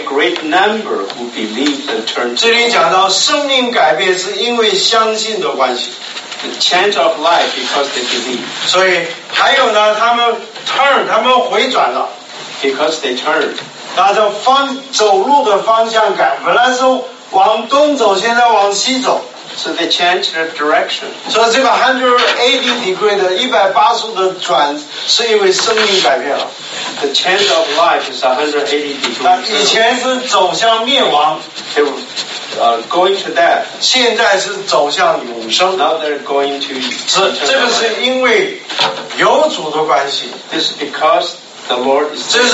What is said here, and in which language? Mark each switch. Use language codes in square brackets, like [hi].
[en] great number who believe and turn. [zh] 这里讲到生命改变是因为相信的关系。 [en] The change of life because they believe. [zh] 所以还有呢，他们 turn， 他们回转了。Because [en] they turn. [zh] 那就走路的方向改，本来是往东走，现在往西走。 [en] So they change their direction. So this 180 degree [zh] 的 180 的转是因为生命改变了。 [en] The change of life is 180 degrees. [zh] 那以前是走向灭亡。 [en] They were going to death. [zh] 现在是走向永生。 [en] Now they're going to. [zh] 这个是因为有主的关系。 [en] This is because the Lord is.